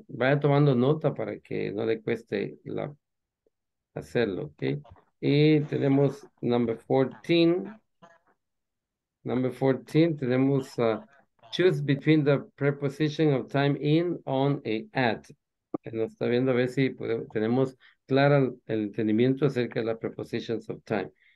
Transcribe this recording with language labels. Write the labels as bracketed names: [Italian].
[Spanish] Vaya tomando nota para que no le cueste hacerlo. Okay. Y tenemos [English] number 14. Number 14, [Spanish] tenemos, [English] choose between the preposition of time in, on, and at. [Spanish] Nos está viendo a ver si tenemos claro el entendimiento acerca de las prepositions of time.